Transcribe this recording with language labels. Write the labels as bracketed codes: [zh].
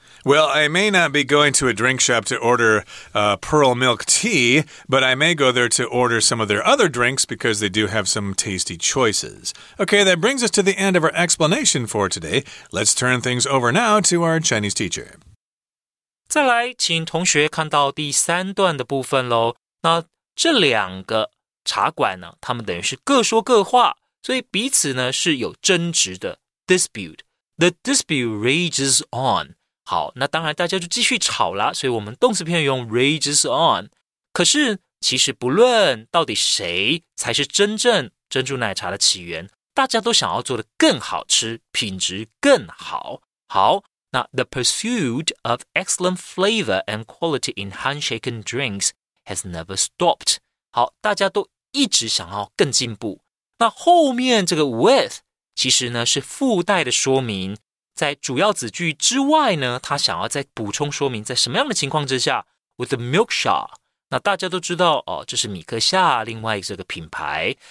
[en] Well, I may not be going to a drink shop to order pearl milk tea, but I may go there to order some of their other drinks because they do have some tasty choices. Okay, that brings us to the end of our explanation for today. Let's turn things over now to our Chinese teacher. [zh] 再来，请同学看到第三段的部分咯。那这两个茶馆呢，他们等于是各说各话，所以彼此呢是有争执的 dispute. [en] The dispute rages on. [zh] 好，那当然大家就继续吵啦，所以我们动词片用 [en] rages on。 [zh] 可是其实不论到底谁才是真正珍珠奶茶的起源，大家都想要做得更好吃，品质更好。好，那 [en] the pursuit of excellent flavor and quality in handshaken drinks has never stopped。 [zh] 好，大家都一直想要更进步。那后面这个 with 其实呢是附带的说明。在主要子句之外呢，他想要再补充说明在什么样的情况之下 [en] with the milk shop， [zh] 那大家都知道哦，这是米克夏另外这个品牌。